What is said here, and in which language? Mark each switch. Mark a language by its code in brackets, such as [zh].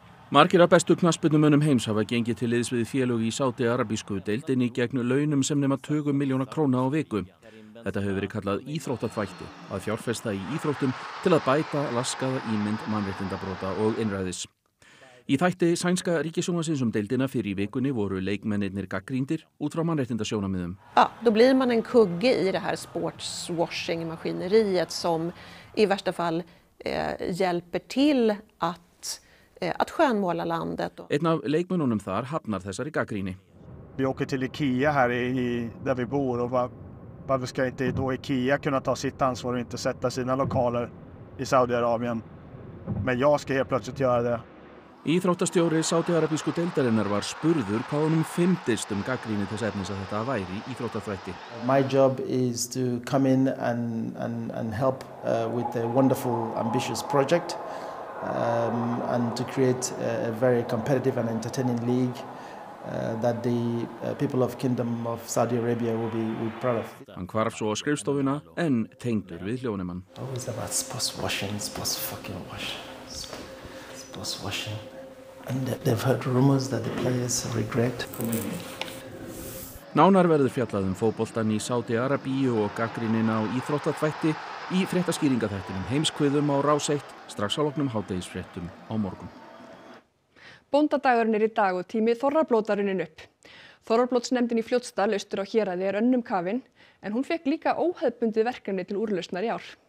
[is] Margir af bestu knattspyrnumönnum heims hafa gengið til liðs við félög í Sádi Arabísku deildinni gegn launum sem nema 20 milljóna króna á viku. Þetta hefur verið kallað íþróttaþvætti, að fjárfesta í íþróttum til að bæta laskaða ímynd mannréttindabrota og innræðis. Í þætti sænska ríkissjónvarpsins deildina fyrir í vikunni voru leikmennirnir gagnrýndir út frá mannréttindasjónarmiðum. [sv] Ja, då blir man en kugge i det här sportswashing-maskineriet som i värsta fall hjälper till att skönmåla landet. [is] Einn af leikmennunum þar hafnar þessari gagnrýni. [sv] Vi åker till IKEA här i där vi bor och varför ska inte då IKEA kunna ta sitt ansvar och inte sätta sina lokaler i Saudiarabien? Men jag ska helt plötsligt göra det. [is] Íþróttastjóri Sádi-Arabísku deildarinnar var spurður hvað honum fyndist gagnrýni þess efnis að þetta væri íþróttaþvætti. [en] My job is to come in and help with a wonderful ambitious project and to create a very competitive and entertaining league that the people of Kingdom of Saudi Arabia will be proud of. [is] Hann hvarf svo á skrifstofuna en tengdur við hljónimann. [en] Always about sports washing, sports fucking washing. Sports washing. And they've heard rumors that the players regret. [is] Nánar verður fjallað fótboltann í Saudi-Arabíu og gagnrýnina á íþróttaþvætti í fréttaskýringaþættinum Heimskviðum á Rás 1 strax að loknum hádegisfréttum á morgun. Bóndadagurinn í dag og tími Þorrablótarunin upp. Þorrablótsnefndin í Fljótsdal austur á héraði önnum kafin, en hún fékk líka óhefðbundið verkefni til úrlausnar í ár.